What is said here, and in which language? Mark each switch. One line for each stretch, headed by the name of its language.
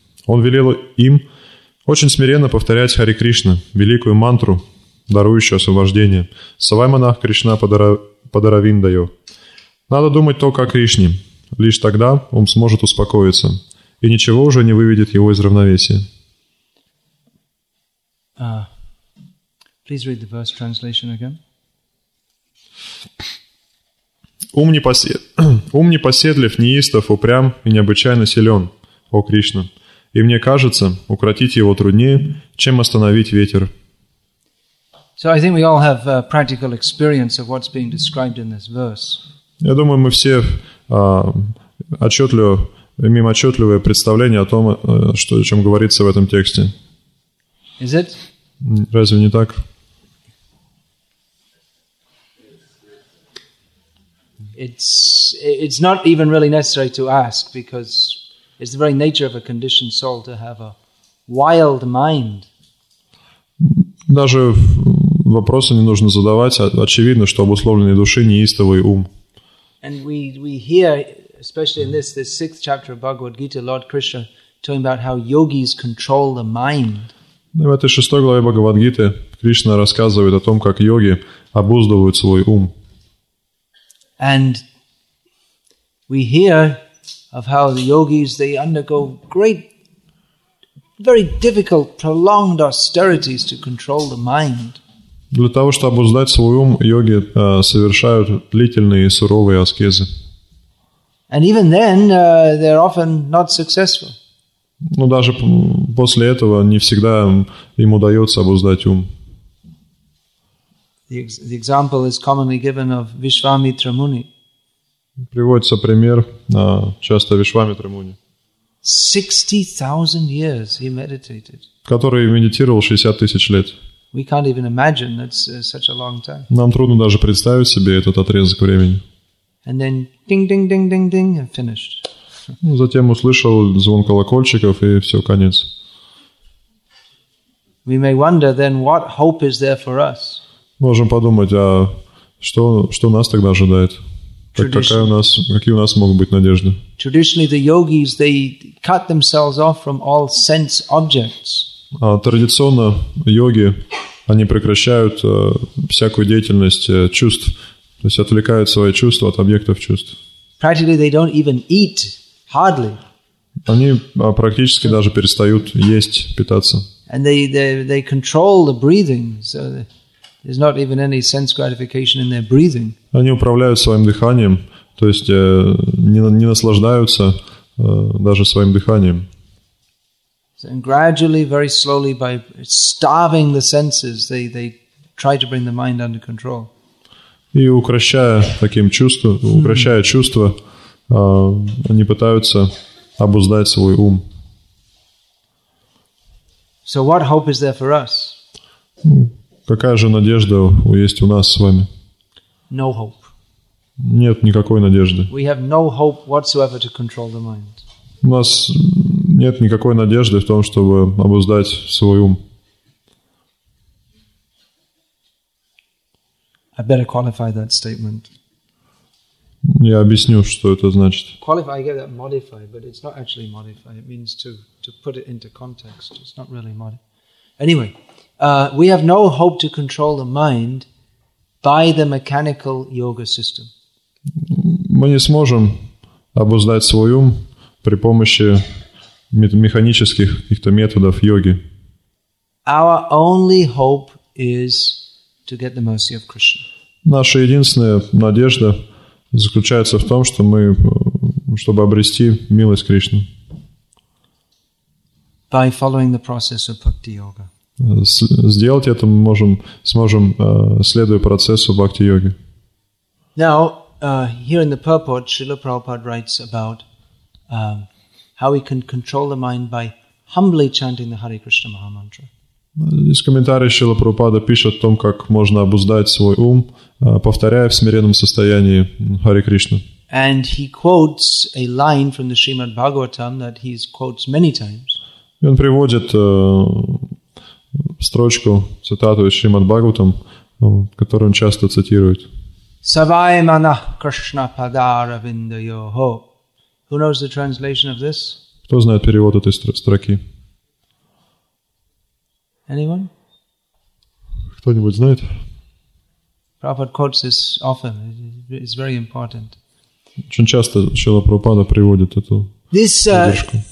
Russian: Он велел им очень смиренно повторять Хари Кришна, великую мантру, дарующую освобождение.
Sanskrit: Савай манах Кришна падаравиндайо.
Russian: Надо думать только о Кришне. Лишь тогда ум сможет успокоиться, и ничего уже не выведет его из равновесия.
English: Please read the verse translation again.
Russian: Ум непоседлив, неистов, упрям и необычайно силен, о Кришна. И мне кажется, укротить его труднее, чем остановить ветер.
English: So I think we all have a practical experience of what's being described in this verse.
Russian: Я думаю, мы все имеем отчетливое представление о том, что о чем говорится в этом тексте.
English: Is it?
Russian: Разве не так?
English: It's not even really necessary to ask because it's the very nature of a conditioned soul to have a wild mind.
Russian: Даже вопросы не нужно задавать, очевидно, что обусловленной души неистовый ум.
English: And we hear, especially in this sixth chapter of Bhagavad Gita, Lord Krishna talking about how yogis control the mind.
Russian: В этой шестой главе Бхагавад Гиты Кришна рассказывает о том, как йоги обуздывают свой ум.
English: And we hear of how the yogis, they undergo great very difficult, prolonged austerities to control the mind.
Russian: Для того, чтобы узнать свой ум, йоги совершают длительные и суровые аскезы.
English: And even then, they're often not successful.
Russian: Но даже после этого не всегда им удается обуздать ум.
English: The example is commonly given of Vishwamitra Muni.
Russian: Приводится пример часто Вишвамитра Муни.
English: 60,000 years he meditated.
Russian: Который медитировал 60 тысяч лет.
English: We can't even imagine that's such a long time.
Russian: Нам трудно даже представить себе этот отрезок времени.
English: And then ding, ding, ding, ding, ding, and finished.
Russian: Затем услышал звон колокольчиков и все, конец.
English: We may wonder then what hope is there for us.
Russian: Можем подумать, а что нас тогда ожидает? Какие у нас могут быть надежды?
English: Traditionally the yogis they cut themselves off from all sense objects.
Russian: Традиционно йоги они прекращают всякую деятельность чувств, то есть отвлекают свои чувства от объектов чувств.
English: Practically they don't even eat, hardly.
Russian: Они практически даже перестают есть, питаться.
English: And they control the breathing, so there's not even any sense gratification in their breathing.
Russian: Они управляют своим дыханием, то есть не наслаждаются даже своим дыханием.
English: And gradually, very slowly, by starving the senses, they try to bring the mind under control.
Russian: И укрощая таким чувством, укрощая чувства, они пытаются обуздать свой ум.
English: So what hope is there for us?
Russian: Какая же надежда есть у нас с вами?
English: No hope.
Russian: Нет никакой надежды.
English: We have no hope whatsoever to control the mind.
Russian: У нас нет никакой надежды в том, чтобы обуздать свой ум.
English: I better qualify that statement.
Russian: Я объясню, что это значит.
English: Qualify, I get that modify, but it's not actually modify. It means to put it into context. It's not really modify. Anyway, we have no hope to control the mind by the mechanical yoga system.
Russian: Мы не сможем обуздать свой ум при помощи механических каких-то методов йоги.
English: Our only hope is to get the mercy of Krishna.
Russian: Наша единственная надежда заключается в том, чтобы обрести милость Кришны.
English: By following the process of bhakti yoga.
Russian: Сделать это мы сможем, следуя процессу бхакти йоги.
English: Now, here in the purport, Srila Prabhupada writes about how we can control the mind by humbly chanting the Hare Krishna Maha Mantra.
Russian: Здесь комментарий Шрила Прабхупады пишет о том, как можно обуздать свой ум, повторяя в смиренном состоянии Харе Кришну.
English: And he quotes a line from the Srimad Bhagavatam that he quotes many times.
Russian: И он приводит строчку, цитату из Шримад Бхагаватам, которую он часто цитирует.
Sanskrit: Савай мана Кришна падара винда йохо.
English: Who knows the translation of this?
Russian: Кто знает перевод этой строки?
English: Anyone?
Russian: Кто-нибудь знает?
English: Prabhupada quotes this often. It's very important.
Russian: Очень часто Шрила Прабхупада приводит эту строчку.